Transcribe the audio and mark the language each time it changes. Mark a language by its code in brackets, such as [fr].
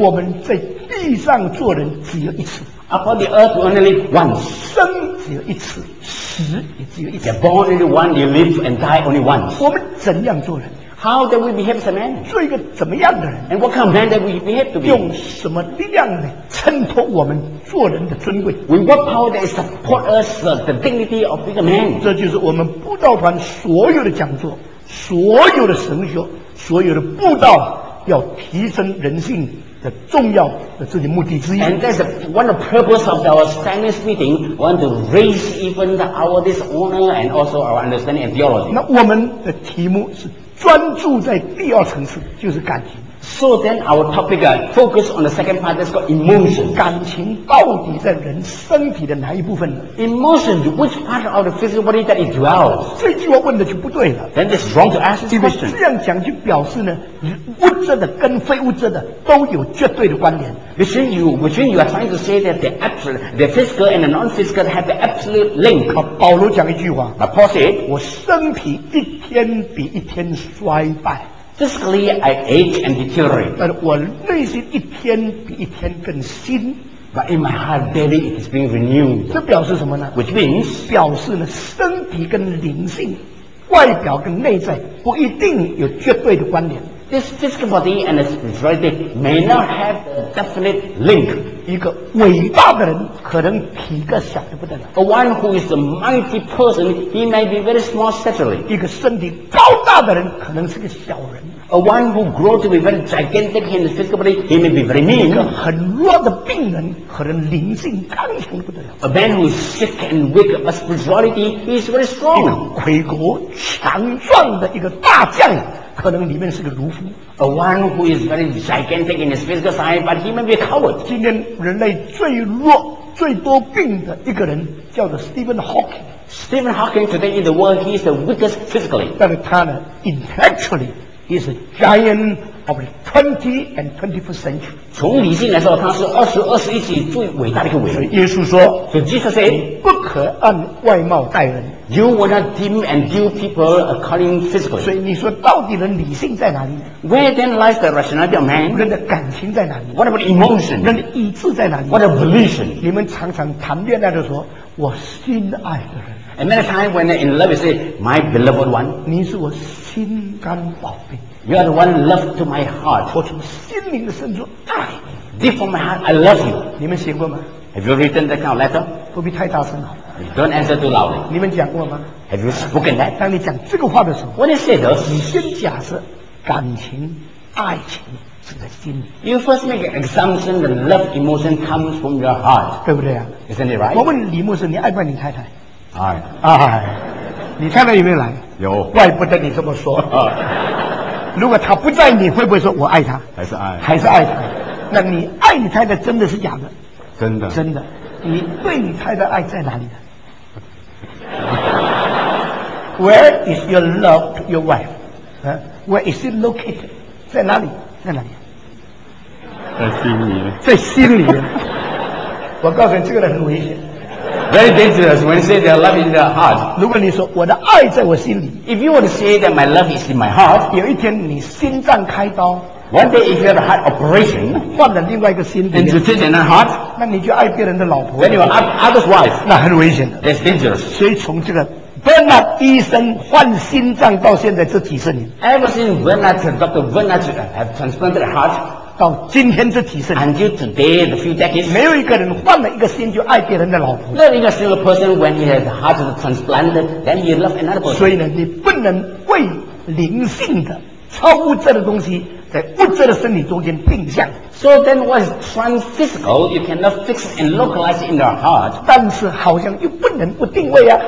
[zh] 我们在地上做人只有一次 [en] Upon the earth, you only live once. [zh] 生只有一次，死也只有一次。 [en] You're born only once, you live and die only once. [zh] 我们怎样做人 [en] ？How do we behave as a man? [zh] 做一个怎么样的人 [en] ？And what kind of man do we behave to be? [zh] 用什么力量呢？衬托我们做人的尊贵 [en] ？With what power that support us the dignity of being a man? [zh] 这就是我们布道团所有的讲座，所有的神学，所有的布道，要提升人性。的重要的自己目的之一 [en] and that's one of the purpose of our standing meeting we want to raise even our dishonor and also our understanding and theology [zh] 那我们的题目是专注在第二层次就是感情 [en] so then our topic focus on the second part that's called emotion [zh] 感情到底在人身体的哪一部分 [en] emotion which part of the physical body that it dwells [zh] 这句话问的就不对了 [en] then it's wrong to ask this question [zh] 这样讲就表示呢物质的跟非物质的都有绝对的关联。 [en] Between you are trying to say that the absolute, the physical and the non-physical have the absolute link. [zh] 保罗讲一句话。 [en] But Paul said, [zh] 我身体一天比一天衰败。 [en] Physically, I age and deteriorate. [zh] 但我内心一天比一天更新。 [en] But in my heart, daily it is being renewed. [zh] 这表示什么呢 [en] ？Which means, [zh] 表示呢身体跟灵性，外表跟内在不一定有绝对的关联。 [en] This physical body and the spirituality may not have a definite link. [zh] 一个伟大的人可能体格小得不得了。 [en] A one who is a mighty person, he may be very small stature. [zh] 一个身体高大的人可能是个小人。 [en] A one who grows to be very gigantic in the physical body, he may be very mean. [zh] 一个很弱的病人可能灵性刚强不得了。 [en] A man who is sick and weak, but spirituality is very strong. [zh] 一个魁梧强壮的一个大将。可能里面是个儒夫 [en] ，a one who is very gigantic in his physical size, but he may be a coward. [zh] 今天人类最弱、最多病的一个人叫做 Stephen Hawking. [en] Stephen Hawking today in the world, he is the weakest physically. [zh] 但是他呢 [en] ，intellectually, he is a giant of the 20th and 21st century. [zh] 从理性来说，他是21世纪最伟大的一个伟人。所以耶稣说 [en] ，So Jesus said, [zh] 不可按外貌待人。 [en] You will not deem and view people according physically. [zh] 所以你说到底的理性在哪里 [en] ？Where then lies the rationality of man? [zh] 人的感情在哪里 [en] ？What about emotion? [zh] 人的意志在哪里 [en] ？What about volition? [zh] 你们常常谈恋爱的时候，我心爱的人。 [en] And many times when in love, you say, "My beloved one." [zh] 你是我心肝宝贝。 [en] You are the one loved to my heart. [zh] 我从心灵的深处爱。 [en] Deep from my heart, I love you. [zh] 你们写过吗 [en] ？Have you written that kind of letter? [zh] 不必太大声好。 [en] Don't answer too loudly. [zh] 你们讲过吗 [en] ？Have you spoken that? [zh] 当你讲这个话的时候 [en] ，When you say this, [zh] 你先假设感情、爱情是在心里。 [en] You first make an assumption that love emotion comes from your heart, [zh] 对不对啊 [en] ？Isn't it right? [zh] 我问李牧师，你爱不爱你太太？爱。爱。你太太有没有来？有。怪不得你这么说。如果她不在，你会不会说我爱她？还是爱？还是爱她。那你爱你太太真的是假的？真的。真的。你对你太太爱在哪里？ [en] Where is your love to your wife?、Where is it located? [zh] 在哪里？在哪里？在心里。在心里。我告诉你，这个人很危险。 [en] very dangerous when you say that love is in the heart. [zh] 如果你说我的爱在我心里， [en] if you want to say that my love is in my heart, [zh] 有一天你心脏开刀， [en] one day if you have a heart operation, [zh] 换了另外一个心里， [en] and you change another heart, [zh] 那你就爱别人的老婆， [en] then you are other's wife, [zh] 那很危险， [en] that's dangerous. [zh] 所以从这个Bernard 医生换心脏到现在这几十年， [en] Ever since Bernard, Dr. Bernard have transplanted a heart, [zh] 到今天这几十年， [en] until today, the few decades, [zh] 没有一个人换了一个心就爱别人的老婆， [en] Not even a single person when he has a heart transplanted, then he loves another person. [zh] 所以呢，你不能为灵性的超物质的东西在物质的身体中间定向。 [en] So then what is transphysical, you cannot fix and localize in your heart. [zh] 但是好像又不能不定位啊。